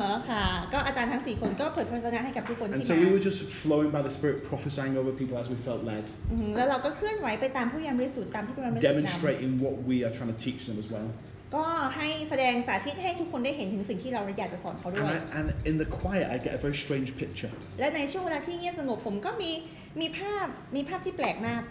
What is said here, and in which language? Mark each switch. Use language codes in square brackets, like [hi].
[th] ค่ะก็อาจารย์ทั้ง4 คนก็เผยพระวจนะให้กับทุกคนที่มา [en] And so we were just flowing by the Spirit, prophesying over people as we felt led. [th] แล้วเราก็เคลื่อนไหวไปตามผู้ยามบริสุทธิ์ตามที่พระบริสุทธิ์ [en] Demonstrating what we are trying to teach them as well. [th] ก็ให้แสดงสาธิตให้ทุกคนได้เห็นถึงสิ่งที่เราอยากจะสอนเขาด้วย [en] And in the quiet I get a very strange picture [th] และในช่วงเวลาที่เงียบสงบผมก็มีภาพที่แปลกมาก